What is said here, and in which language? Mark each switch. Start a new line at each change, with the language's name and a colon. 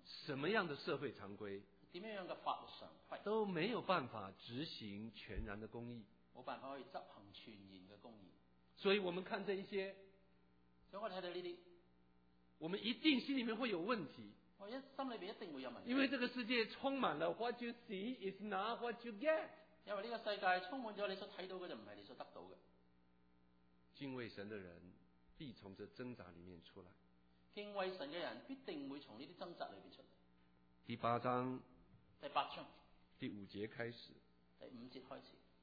Chinese: 什么样的社会常规，怎样的法律常规，都没有办法执行全然的公义，没办法可以执行全然的公义。所以我们看这一些，所以我看到这些，我们一定心里面会有问题，我一心里面一定会有问题，因为这个世界充满了
English: what you see is not what you get，
Chinese: 因为这个世界充满了你所看到的就不是你所得到的。敬畏神的人必从这挣扎里面出来，敬畏神的人必定会从这些挣扎里面出来。第八章，第八章，第五节开始，第五节开始。